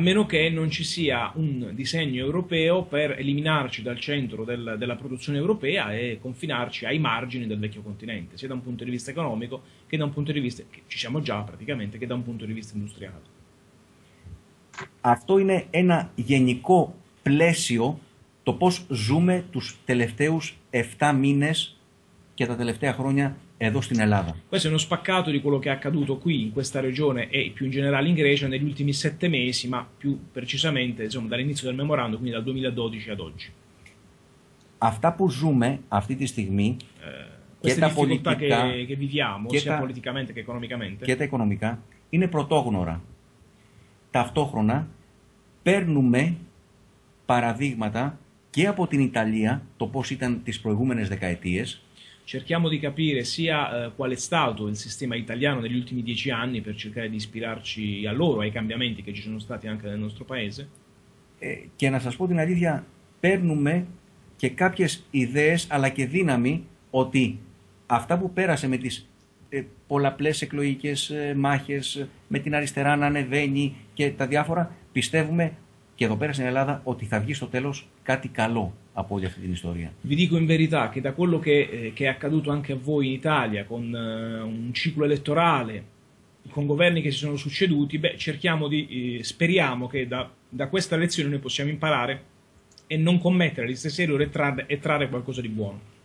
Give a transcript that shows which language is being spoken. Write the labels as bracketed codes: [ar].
[it] A meno che non ci sia un disegno europeo per eliminarci dal centro della produzione europea e confinarci ai margini del vecchio continente, sia da un punto di vista economico che da un punto di vista, che ci siamo già praticamente, che da un punto di vista industriale. [el] Αυτό είναι ένα γενικό πλαίσιο το πώς ζούμε τους τελευταίους 7 μήνες και τα τελευταία χρόνια εδώ στην Ελλάδα. [it] Questo è uno spaccato di quello che è accaduto qui in questa regione e più in generale in Grecia negli ultimi 7 mesi, ma più precisamente, insomma, dall'inizio del memorandum, quindi dal 2012 ad oggi. [el] Αυτά που ζούμε αυτή τη στιγμή και τα πολιτικά [it] che viviamo, [el] και [it] sia politicamente che economicamente, [el] και τα οικονομικά, είναι πρωτόγνωρα. Ταυτόχρονα παίρνουμε παραδείγματα και από την Ιταλία το πώς ήταν τις προηγούμενες δεκαετίες. [it] Cerchiamo di capire sia qual è stato il sistema italiano negli ultimi 10 anni per cercare di ispirarci a loro, ai cambiamenti che ci sono stati anche nel nostro paese. [el] Και να σας πω την αλήθεια, παίρνουμε και κάποιες ιδέες αλλά και δύναμη ότι αυτά που πέρασε με τις πολλαπλές εκλογικές μάχες, με την αριστερά να ανεβαίνει και τα διάφορα, πιστεύουμε και εδώ πέρα στην Ελλάδα ότι θα βγει στο τέλος κάτι καλό από όλη αυτή την ιστορία. [it] Vi dico in verità che da quello che è accaduto anche a voi in Italia con un ciclo elettorale, con governi che si sono succeduti, beh, cerchiamo di speriamo che da questa lezione noi possiamo imparare e non commettere gli stessi errori e trarre qualcosa di buono.